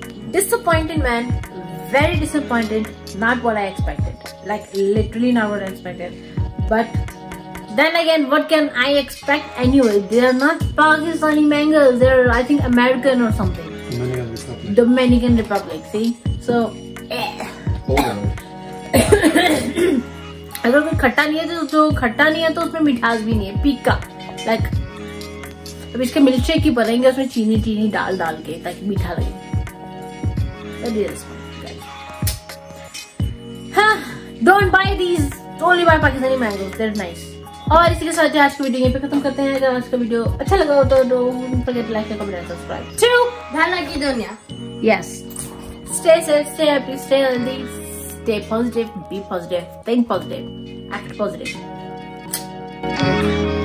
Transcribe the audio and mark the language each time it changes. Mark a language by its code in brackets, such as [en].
[en] Disappointed, man. Very disappointed. Not what I expected. Like literally not what I expected. But then again, what can I expect anyway? They are not Pakistani mangoes. They are, I think, American or something. Dominican Republic. See, so. [hi] अगर कोई खट्टा नहीं है तो खट्टा नहीं है तो उसमें मिठास भी नहीं है. पीका लाइक अब इसके मिल्कशेक ही बनेंगे उसमें चीनी चीनी डाल डाल के ताकि मीठा लगे. [en] Don't buy these. Only buy Pakistani mango. They're nice. [hi] और इसी के साथ जो आज की वीडियो यहीं पे खत्म करते हैं. अगर आज का वीडियो अच्छा लगा हो तो [en] don't forget like and comment and subscribe to [hi] धनक की दुनिया. [en] Yes. Stay safe, stay happy, stay healthy. Stay positive, be positive, think positive, act positive.